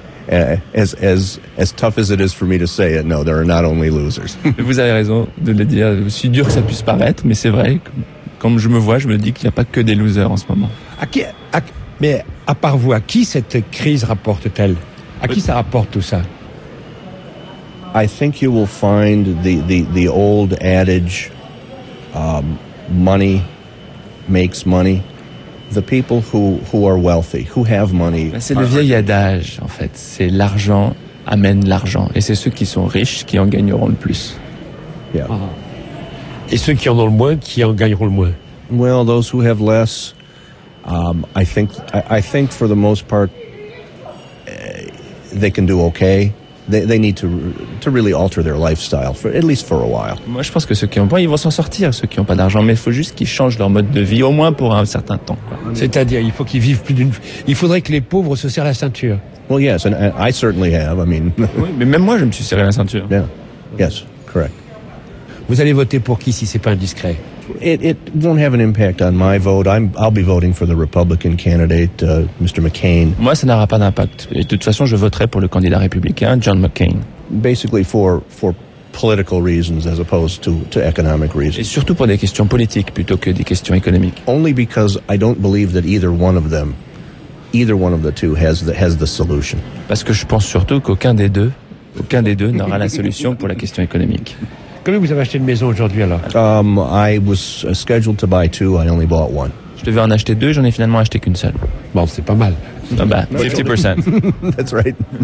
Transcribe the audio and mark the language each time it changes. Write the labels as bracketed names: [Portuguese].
[English] As tough as it is for me to say it, no, there are not only losers. [French] Vous avez raison de le dire, aussi dur que ça puisse paraître, mais c'est vrai, comme je me vois, je me dis qu'il n'y a pas que des losers en ce moment. À part vous, à qui cette crise rapporte-t-elle? À qui ça rapporte tout ça? [English] I think you will find the old adage, money makes money. The people who are wealthy, who have money. [French] C'est le vieil adage, en fait. C'est l'argent amène l'argent. Et c'est ceux qui sont riches qui en gagneront le plus. [English] Yeah. Uh-huh. [French] Et ceux qui en ont le moins, qui en gagneront le moins. [English] Well, those who have less, I think for the most part, they can do okay. They need to really alter their lifestyle, for at least for a while. [French] Moi, je pense que ceux qui ont pas, ils vont s'en sortir. Ceux qui ont pas d'argent, mais il faut juste qu'ils changent leur mode de vie, au moins pour un certain temps. C'est-à-dire, il faut qu'ils vivent plus d'une. Il faudrait que les pauvres se serrent la ceinture. [English] Well, yes, and I certainly have. I mean. [French] Oui, mais même moi, je me suis serré la ceinture. [English] Yeah. Yes, correct. [French] Vous allez voter pour qui si c'est pas indiscret? [English] It won't have an impact on my vote. I'll be voting for the Republican candidate, Mr. McCain. [French] Moi, ça n'aura pas d'impact. Et de toute façon, je voterai pour le candidat républicain, John McCain. [English] Basically, for political reasons as opposed to economic reasons. [French] Et surtout pour des questions politiques plutôt que des questions économiques. [English] Only because I don't believe that either one of the two has the solution. [French] Parce que je pense surtout qu'aucun des deux n'aura la solution pour la question économique. Combien vous avez acheté de maisons aujourd'hui alors? [English] I was scheduled to buy two, I only bought one. [French] Je devais en acheter deux, j'en ai finalement acheté qu'une seule. Bon, c'est pas mal. Ah bah, 50%. [English] That's right.